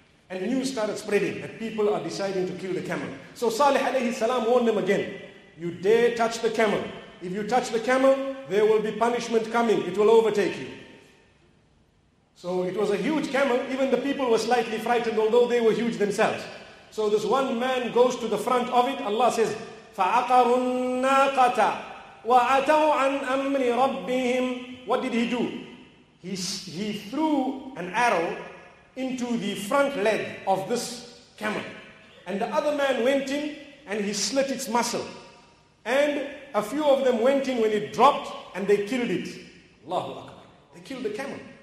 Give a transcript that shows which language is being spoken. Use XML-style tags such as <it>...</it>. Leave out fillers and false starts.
<en>And news started spreading that people are deciding to kill the camel. So Salih alayhi salam warned them again, you dare touch the camel. If you touch the camel, there will be punishment coming. It will overtake you. So it was a huge camel. Even the people were slightly frightened, although they were huge themselves. So this one man goes to the front of it. Allah says,</en> <ar>فَعَقَرُ النَّاقَةَ وَعَتَوْ عَنْ أَمْرِ رَبِّهِمْ.</ar> <en>What did he do? He threw an arrow into the front leg of this camel. And the other man went in and he slit its muscle. And a few of them went in when it dropped and they killed it. Allahu Akbar. They killed the camel.</en>